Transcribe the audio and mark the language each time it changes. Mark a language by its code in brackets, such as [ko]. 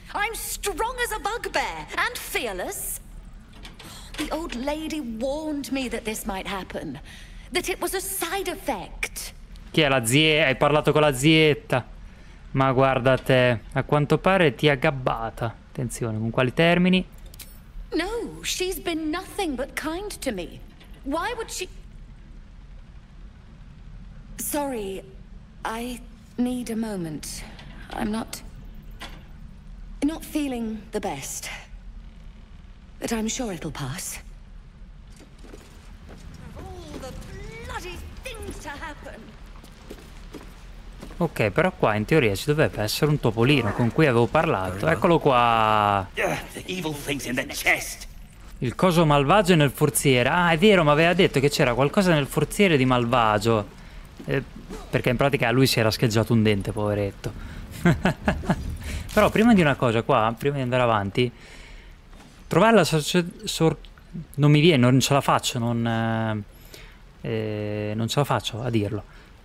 [en] I'm strong as a bugbear and fearless. The old lady warned me that this might happen, that it was a side effect. [it] Chi è la zia? Hai parlato con la zietta? Ma guarda te, a quanto pare ti ha gabbata. Attenzione, con quali termini? [en] No, she's been nothing but kind to me. Why would she? Sorry, I need a moment. I'm not feeling the best, but I'm sure it'll pass. All the bloody things to happen. [it] Ok, però qua in teoria ci dovrebbe essere un topolino con cui avevo parlato. Eccolo qua. Il coso malvagio nel forziere. Ah, è vero, mi aveva detto che c'era qualcosa nel forziere di malvagio. Perché in pratica lui si era scheggiato un dente, poveretto. Però prima di una cosa qua, prima di andare avanti, trovare la non mi viene, non ce la faccio, non ce la faccio a dirlo.